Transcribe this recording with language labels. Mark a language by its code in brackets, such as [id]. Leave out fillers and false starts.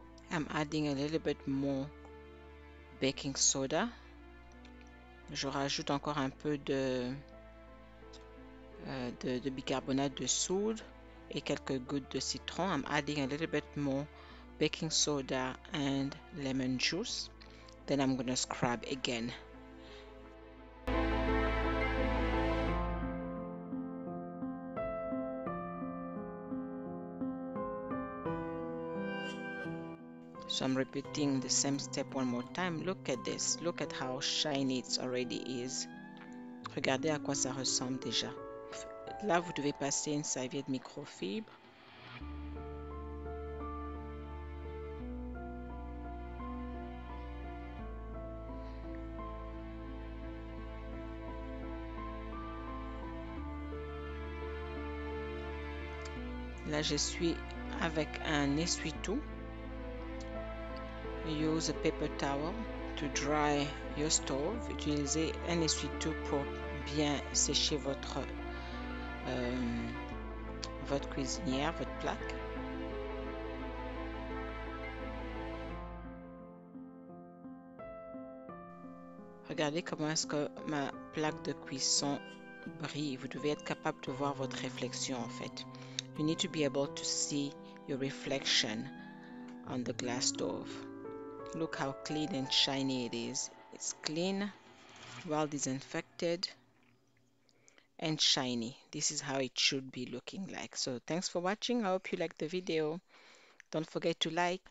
[en] I'm adding a little bit more baking soda. [fr] Je rajoute encore un peu de bicarbonate de soude et quelques gouttes de citron. [en] I'm adding a little bit more baking soda and lemon juice. Then I'm going to scrub again. So I'm repeating the same step one more time. Look at this. Look at how shiny it already is. [fr] Regardez à quoi ça ressemble déjà. Là, vous devez passer une serviette microfibre. Là, je suis avec un essuie-tout. [en] Use a paper towel to dry your stove. [fr] Utilisez un essuie-tout pour bien sécher votre cuisinière, votre plaque. Regardez comment est-ce que ma plaque de cuisson brille. Vous devez être capable de voir votre réflexion en fait. [en] You need to be able to see your reflection on the glass stove. Look how clean and shiny it is. It's clean, well disinfected, and shiny. This is how it should be looking like. So thanks for watching. I hope you liked the video. Don't forget to like.